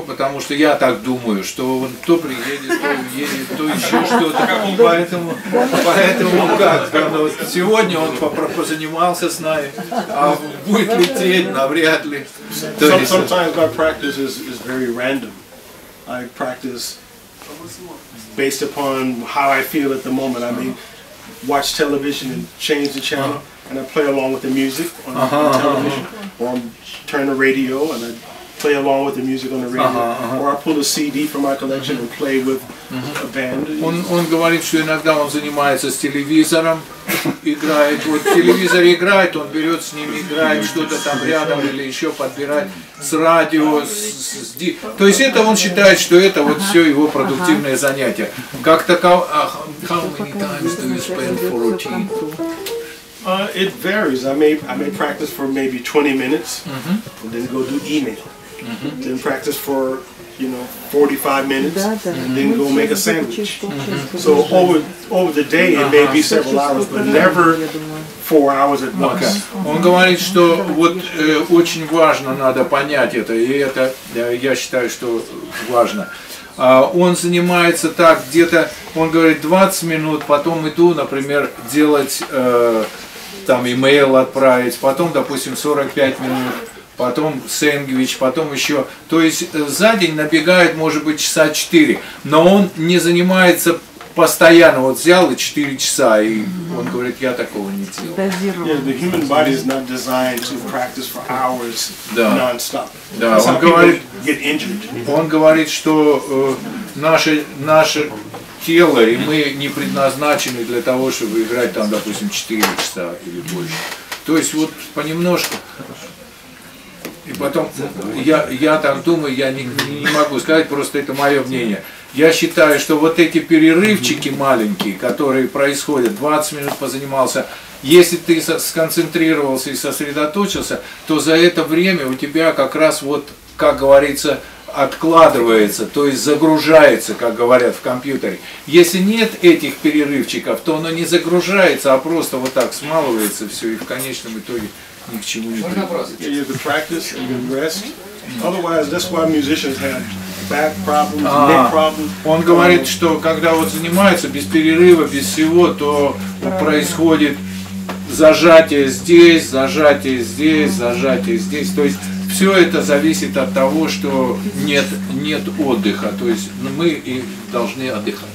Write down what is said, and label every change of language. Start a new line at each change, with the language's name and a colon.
Russian: Потому что я так думаю, что он то приедет, то уедет, то еще что-то. Поэтому как? Сегодня он позанимался с нами, а будет лететь, навряд ли.
English: Sometimes my practice is very random. I practice based upon how I feel at the moment. I mean, watch television and change the channel, and I play along with the music on the television. Or I turn the radio and I play along with the music on the radio. Or I pull a CD from my collection and play with a band.
Russian: Он говорит, что иногда он занимается с телевизором, играет. Вот телевизор играет, он берет с ним, играет что-то там рядом или еще подбирает. С радио, с ди... То есть это он считает, что это вот все его продуктивное занятие. Как таково...
English: How many times do you spend for routine? It varies. I may practice for maybe 20 minutes, and then go do email. Then practice for, you know, 45 minutes, and then go make a sandwich. So over the day it may be several hours, but never 4 hours at once. Okay.
Russian: Он говорит, что вот очень важно, надо понять это, и это я считаю, что важно. Он занимается так где-то, он говорит, 20 минут, потом иду, например, делать там email отправить, потом, допустим, 45 минут. Потом сэндвич, потом еще. То есть за день набегает, может быть, часа 4. Но он не занимается постоянно. Вот взял и 4 часа, и он говорит, я такого не делал.
English: Yeah, the human body is not designed to practice for hours non-stop.
Russian: Да, он говорит, что наше тело, и мы не предназначены для того, чтобы играть там, допустим, 4 часа или больше. То есть вот понемножку. И потом, я так думаю, я не могу сказать, просто это мое мнение. Я считаю, что вот эти перерывчики маленькие, которые происходят, 20 минут позанимался, если ты сконцентрировался и сосредоточился, то за это время у тебя как раз вот, как говорится, откладывается, то есть загружается, как говорят в компьютере. Если нет этих перерывчиков, то оно не загружается, а просто вот так смалывается все, и в конечном итоге...
English: You have to practice and you rest. Otherwise, that's why musicians have back problems, neck problems.
Russian: Он говорит, что когда вот занимается без перерыва, без всего, то происходит зажатие здесь. То есть все это зависит от того, что нет отдыха. То есть мы и должны отдыхать.